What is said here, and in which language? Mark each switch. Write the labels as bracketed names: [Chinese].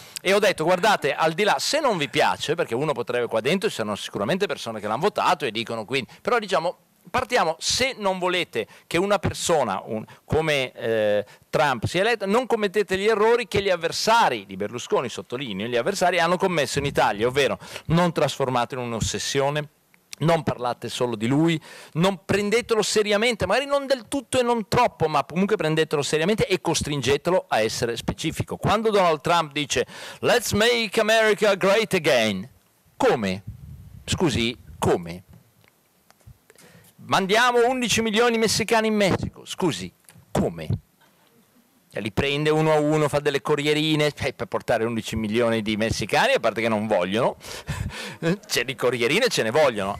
[Italian] E ho detto, guardate, al di là, se non vi piace, perché uno potrebbe, qua dentro ci saranno sicuramente persone che l'hanno votato e dicono quindi, però diciamo, partiamo, se non volete che una persona come Trump sia eletta, non commettete gli errori che gli avversari di Berlusconi, sottolineo, gli avversari hanno commesso in Italia, ovvero non trasformatelo in un'ossessione, non parlate solo di lui, non prendetelo seriamente, magari non del tutto e non troppo, ma comunque prendetelo seriamente e costringetelo a essere specifico. Quando Donald Trump dice [English] Let's make America great again, [Italian] come? Scusi, come? Mandiamo 11 milioni di messicani in Messico, scusi, come? Li prende uno a uno, fa delle corrierine per portare 11 milioni di messicani, a parte che non vogliono, c'è di corrierine, ce ne vogliono.